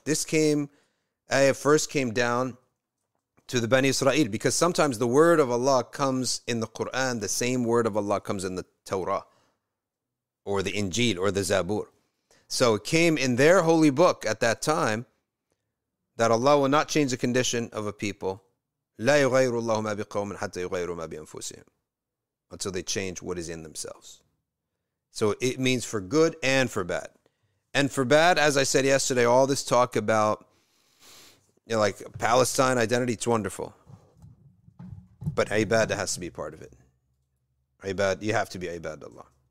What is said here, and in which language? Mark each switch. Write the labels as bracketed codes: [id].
[en] This first came down to the Bani Israel, because sometimes the word of Allah comes in the Quran, the same word of Allah comes in the Torah or the Injil or the Zabur. So it came in their holy book at that time that Allah will not change the condition of a people. [ar] لَا يُغَيْرُ اللَّهُ مَا بِقَوْمٍ حَتَّى يُغَيْرُ مَا بِأَنفُسِهِمْ, [en] until they change what is in themselves. So it means for good and for bad. And for bad, as I said yesterday, all this talk about, you know, like Palestine identity, it's wonderful. But ibadah has to be part of it. Ibadah, you have to be ibadah.